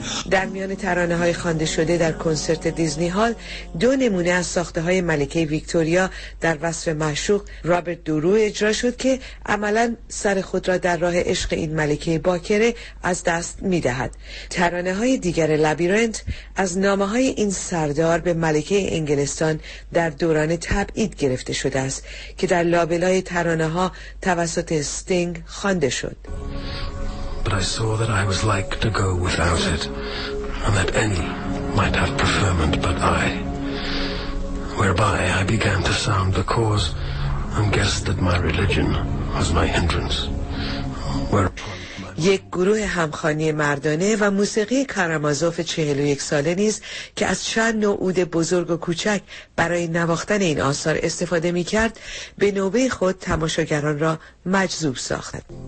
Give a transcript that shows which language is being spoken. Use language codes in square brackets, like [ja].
[fa] در میان ترانه های خوانده شده در کنسرت دیزنی هال، دو نمونه از ساخته های ملکه ویکتوریا در وصف معشوق رابرت دورو اجرا شد که عملا سر خود را در راه عشق این ملکه باکره از دست می دهد. ترانه های دیگر لابیرنت از نامه های این سردار به ملکه انگلستان در دوران تبعید گرفته شده است که در لابلای ترانه ها توسط استینگ خوانده شد. [en] But I saw that I was like to go without it, and that any might have preferment but I. Whereby I began to sound the cause, and guessed that my religion was my hindrance. [fa] یک گروه همخوانی مردانه و موسیقی کارامازوف 41 ساله نیز که از چند نوع عود بزرگ و کوچک برای نواختن این آثار استفاده می کرد، به نوبه خود تماشاگران را مجذوب ساختند.